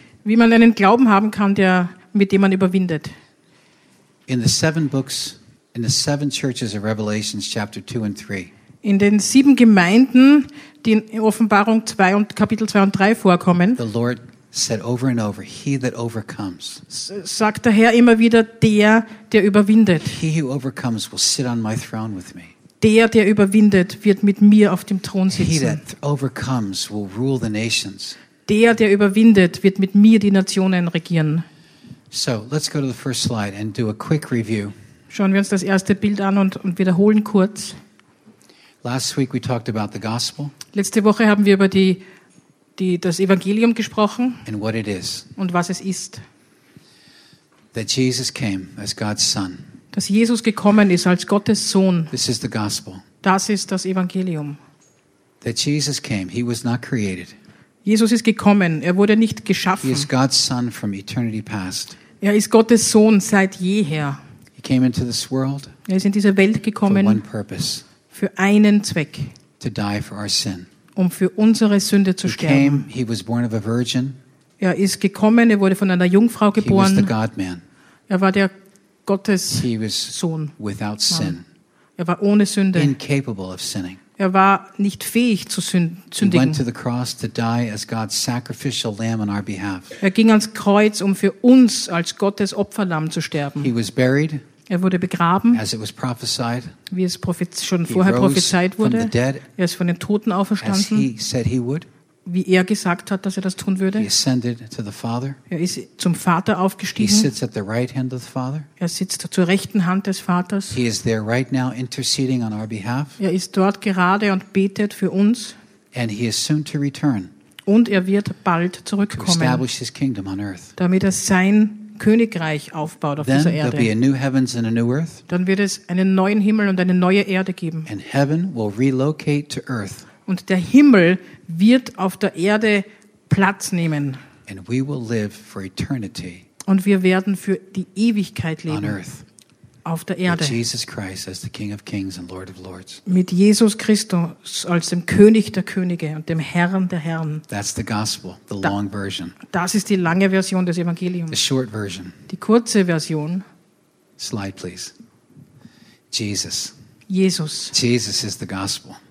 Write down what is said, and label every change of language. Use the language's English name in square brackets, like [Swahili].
[German] Wie man einen Glauben haben kann, der, mit dem man überwindet. [English] In the seven books, in the seven churches of Revelation, chapter 2 and 3. [German] In den sieben Gemeinden, die in Offenbarung 2 und Kapitel 2 und 3 vorkommen, [English] the Lord said over and over, he that overcomes, [German] sagt der Herr immer wieder, der, der überwindet. [English] He who overcomes will sit on my throne with me. [German] Der, der überwindet, wird mit mir auf dem Thron sitzen. [English] He that overcomes will rule the nations. [German] Der, der überwindet, wird mit mir die Nationen regieren. [English] So, let's go to the first slide and do a quick review. [German] Schauen wir uns das erste Bild an und wiederholen kurz. [English] Last week we talked about the gospel. [German] Letzte Woche haben wir über das Evangelium gesprochen. [English] And what it is. [German] Und was es ist. [English] That Jesus came as God's son. [German] Dass Jesus gekommen ist als Gottes Sohn. [English] This is the gospel. [German] Das ist das Evangelium. [English] That Jesus came, he was not created. [German] Jesus ist gekommen, er wurde nicht geschaffen. [English] He is God's son from eternity past. [German] Er ist Gottes Sohn seit jeher. [English] He came into this world. [German] Er ist in diese Welt gekommen. [English] For one purpose. [German] Für einen Zweck. [English] To die for our sin. [German] Um für unsere Sünde zu [English] he [German] sterben. [English] Came, he was born of a virgin. [German] Er ist gekommen, er wurde von einer Jungfrau geboren. [English] He was the God-man. [German] Er war der Gottes Sohn. [English] He was [German] Sohn. [English] Without sin. [German] Er war ohne Sünde. [English] Incapable of sinning. [German] Er war nicht fähig zu sündigen. [English] He went to the cross to die as God's sacrificial lamb on our behalf. [German] Er ging ans Kreuz, um für uns als Gottes Opferlamm zu sterben. [English] He was buried. [German] Er wurde begraben, [English] as it was prophesied, [German] wie es schon vorher prophezeit wurde. [English] Dead, [German] er ist von den Toten auferstanden, [English] as he said he would, [German] wie er gesagt hat, dass er das tun würde. [English] He ascended to the Father, [German] er ist zum Vater aufgestiegen. [English] He sits at the right hand of the Father, [German] er sitzt zur rechten Hand des Vaters. [English] He is there right now interceding on our behalf, [German] er ist dort gerade und betet für uns. [English] And he is soon to return, [German] und er wird bald zurückkommen, [English] to establish his kingdom on earth. [German] Damit er sein Königreich aufbaut auf [English] then [German] dieser Erde. [English] Be a new heavens and a new earth. [German] Dann wird es einen neuen Himmel und eine neue Erde geben. [English] And heaven will relocate to earth. [German] Und der Himmel wird auf der Erde Platz nehmen. [English] And we will live for eternity. [German] Und wir werden für die Ewigkeit leben. [English] On earth. [German] Auf der Erde. [English] With Jesus Christ as the King of Kings and Lord of Lords. [German] Mit Jesus Christus als dem König der Könige und dem Herrn der Herren. [English] That's the gospel, the long version. [German] Das ist die lange Version des Evangeliums. [English] The short version. [German] Die kurze Version. [English] Slide, please. Jesus. Jesus. Jesus is the gospel.